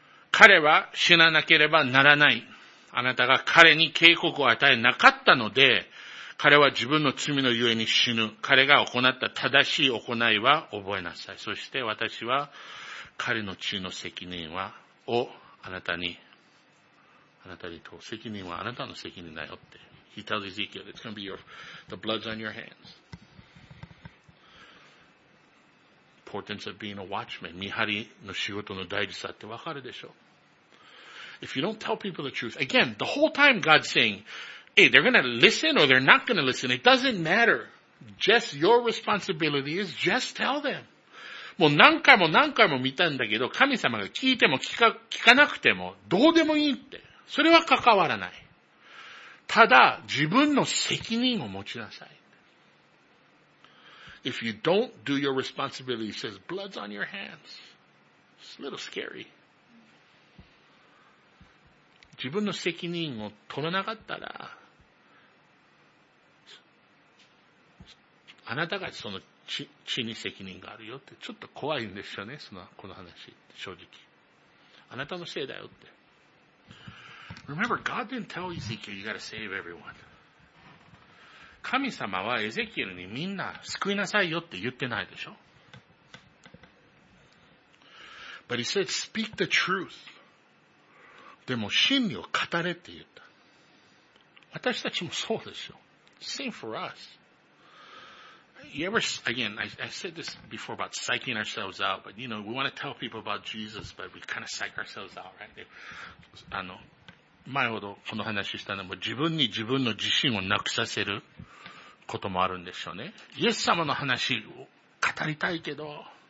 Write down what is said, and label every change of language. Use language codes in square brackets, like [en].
[ja] 彼は死ななければならない。あなたが彼に警告を与えなかったので、彼は自分の罪のゆえに死ぬ。彼が行った正しい行いは覚えなさい。そして私は彼の血の責任はをあなたにと責任はあなたの責任だよって。 [en] He tells Ezekiel, it's going to be the blood's on your hands. Importance of being a watchman. [ja] 見張りの仕事の大事さってわかるでしょう。 [en] If you don't tell people the truth, again, the whole time God's saying, hey, they're going to listen or they're not going to listen. It doesn't matter. Just your responsibility is just tell them. [ja] もう何回も見たんだけど、神様が聞いても聞かなくても、どうでもいいって。それは関わらない。ただ、自分の責任を持ちなさい。 [en] If you don't do your responsibility, he says, blood's on your hands. It's a little scary. [ja] 自分の責任を取らなかったら、あなたがその血に責任があるよって、ちょっと怖いんですよね、その、この話、正直。あなたのせいだよって。 [en] Remember, God didn't tell Ezekiel you gotta save everyone. [ja] 神様はエゼキエルにみんな救いなさいよって言ってないでしょ。 [en] But he said, speak the truth. [ja] でも真理を語れって言った。私たちもそうでしょ。 [en] Same for us. You ever, again, I said this before about psyching ourselves out, but you know, we want to tell people about Jesus, but we kind of psych ourselves out, right? [ja] あの、前ほどこの話したのも自分に自分の自信をなくさせることもあるんでしょうね。イエス様の話を語りたいけど、